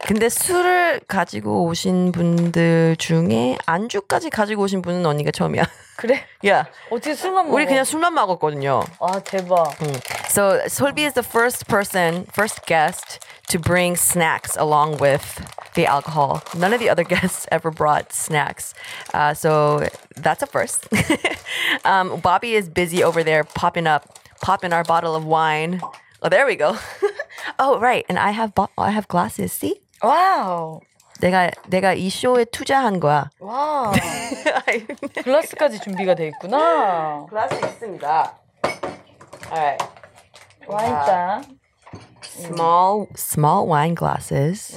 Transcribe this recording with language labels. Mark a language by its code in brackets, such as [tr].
[ko] 근데 술을 가지고 오신 분들 중에 안주까지 가지고 오신 분은 언니가 처음이야. 그래? [en] Yeah. [ko] 어떻게 술만 먹어? 우리 그냥 술만 먹었거든요. 아, 대박. Mm. [en] So, Solbi is the first person, first guest to bring snacks along with the alcohol. None of the other guests ever brought snacks. So, that's a first. Bobby is busy over there popping our bottle of wine. Oh, there we go. Oh, right. And I have glasses. See? Wow. [ko] 내가 이 쇼에 투자한 거야. 와. 글라스까지 준비가 돼 있구나. 글라스 있습니다. [en] Alright. [ko] 와인 잔. [en] Small wine glasses.